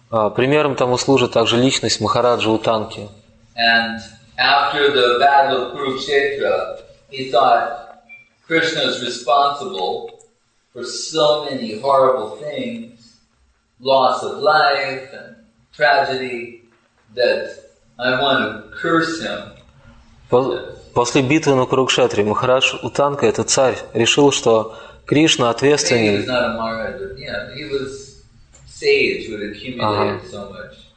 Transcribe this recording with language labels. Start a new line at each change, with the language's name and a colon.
Russian: Примером тому служит также личность Махараджа Уттанки.
English: And after the battle of Kurukshetra, he thought Krishna is responsible for so many horrible things, loss of life and tragedy that I want to curse him.
Russian: После битвы на Курукшетре Махарадж Утанка, этот царь, решил, что Кришна ответственен.
English: He was not a Maharaja. Yeah, he was sage who had accumulated so much.